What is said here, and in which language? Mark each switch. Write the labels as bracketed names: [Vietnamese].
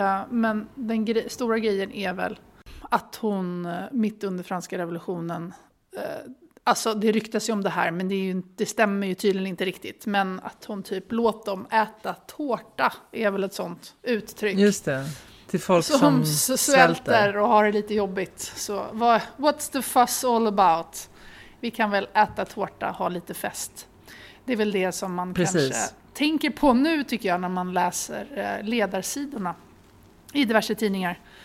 [Swedish] Men den stora grejen är väl att hon mitt under franska revolutionen... Alltså det ryktas ju om det här, men det stämmer ju tydligen inte riktigt. Men att hon typ låt dem äta tårta är väl ett sånt uttryck. Just det, till folk som svälter. Så hon svälter och har det lite jobbigt. [English] Så what's the fuss all about? [Swedish] Vi kan väl äta tårta, ha lite fest. Det är väl det som man kanske tänker på nu tycker jag när man läser ledarsidorna i diverse tidningar.